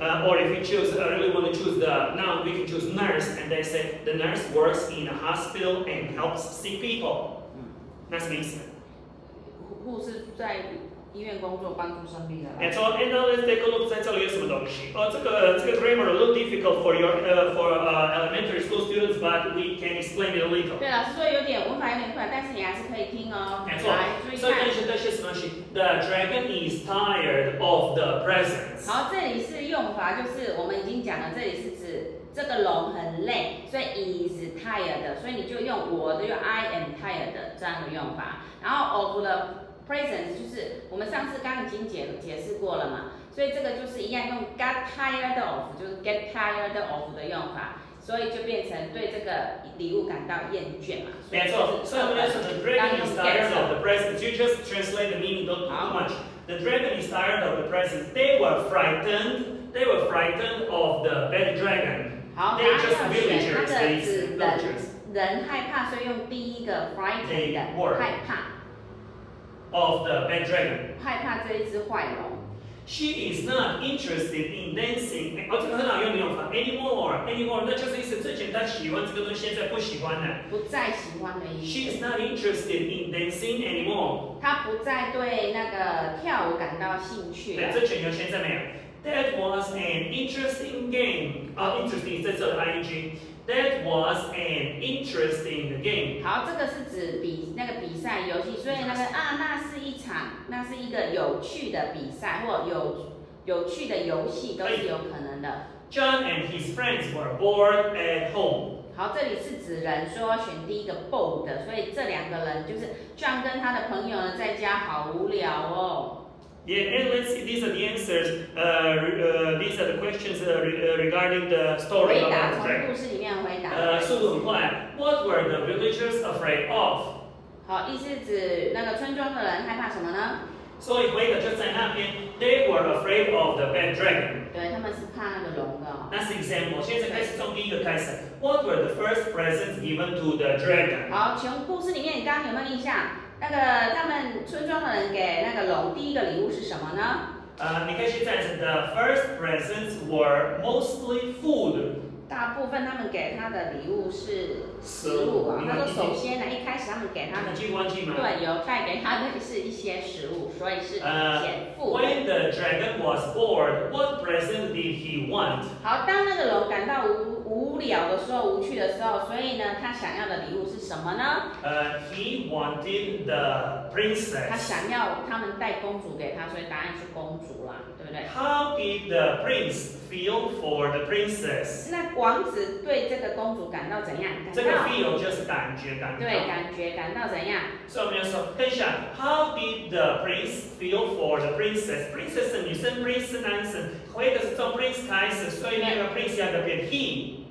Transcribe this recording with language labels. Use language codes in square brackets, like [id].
[en] Or if you choose, really want to choose the noun, we can choose nurse, and they say the nurse works in a hospital and helps sick people. [zh] 嗯，那什么意思？护士在医院工作，帮助生病的。没错。 [en] And now let's take a look [zh] 在这里有什么东西。这个 [en] grammar a little difficult for your elementary school students, but we can explain it a little. [zh] 对，老师说有点文法有点快，但是你还是可以听哦。没错。所以这些什么东西 [en] ？The dragon is tired of the presents. [zh] 好，这里是用法，就是我们已经讲了，这里是指这个龙很累，所以 [en] is tired， [zh] 所以你就用我的，用 [en] I am tired [zh] 的这样的用法。然后 [en] of the presents [zh] 就是我们上次刚已经解释过了嘛，所以这个就是一样用 [en] got tired of， [zh] 就是 [en] get tired of [zh] 的用法。所以就变成对这个礼物感到厌倦嘛。没错，所以我们要说 [en] the dragon is tired of the presents. You just translate the meaning, don't do too much. The dragon is tired of the presents. They were frightened. They were frightened of the bad dragon. They were just villagers. They were just [zh] 人害怕，所以用第一个 [en] frightened [zh] 害怕 [en] of the bad dragon. [zh] 害怕这一只坏龙。 [en] She is not interested in dancing. [zh] 这个很好用的用法 ， [en] anymore， [zh] 那就是意思之前她喜欢这个东西，现在不喜欢了。不再喜欢的意思。 [en] She is not interested in dancing anymore. [zh] 她不再对那个跳舞感到兴趣了。对，这全球现在没有。 [en] That was an interesting game. interesting [zh] 在这里 [en] ，ing。That was an interesting game. [zh] 好，这个是指比赛游戏，所以那是一场，那是一个有趣的比赛或有趣的游戏都是有可能的。 [en] John and his friends were bored at home. [zh] 好，这里是指人说选第一个 bored， 所以这两个人就是 John 跟他的朋友呢在家好无聊哦。 [en] Yeah, and let's see, these are the answers, these are the questions regarding the story of the dragon. [zh] 速度很快。 [en] What were the villagers afraid of? [zh] 好，意思指那个村庄的人害怕什么呢？所以回答就在那边。 [en] They were afraid of the bad dragon. [zh] 对，他们是怕那个龙的。 [en] That's example. [zh] 现在开始从第一个开始。 [en] What were the first presents given to the dragon? [zh] 好，从故事里面你刚刚有没有印象？那个他们村庄的人给那个龙第一个礼物是什么呢？你可以去猜测 [en] ，the first presents were mostly food。 [zh] 大部分他们给他的礼物是食物啊。他说首先呢，一开始他们给他的记忘记吗？对，有带给他的是一些食物，所以是减负。 [en] When the dragon was bored, what present did he want? [zh] 好，当那个龙感到无聊的时候，无趣的时候，所以呢，他想要的礼物是什么呢？ [en] He wanted the princess. [zh] 他想要他们带公主给他，所以答案是公主啦，对不对 [en] ？How did the prince feel for the princess? [zh] 那王子对这个公主感到怎样？这个 feel 就是感觉，感到。对，感觉感到怎样？所以我们要说，等一下 [en] ，How did the prince feel for the princess? [zh] Princess 是女生 ，prince 是男生，回答是从 prince 开始，所以那个 prince 要变 he。